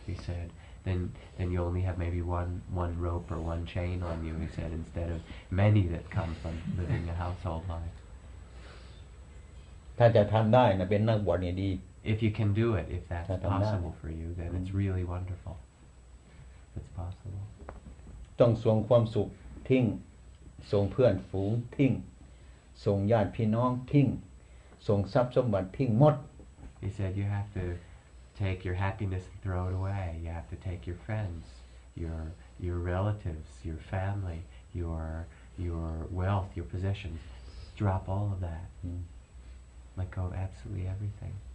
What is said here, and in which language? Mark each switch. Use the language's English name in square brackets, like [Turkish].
[English] He said, then you only have maybe one rope or one chain on you, he said, instead of many that come from living a household life. If you can do it, if that's possible for you, then it's really wonderful. If it's possible. [Thai] ส่งเพื่อนฝูงทิ้งส่งญาติพี่น้องทิ้งส่งทรัพย์สมบัติทิ้งหมด [English] He said you have to take your happiness and throw it away. You have to take your friends, your relatives, your family, your wealth, your possessions. Drop all of that. Let go of absolutely everything.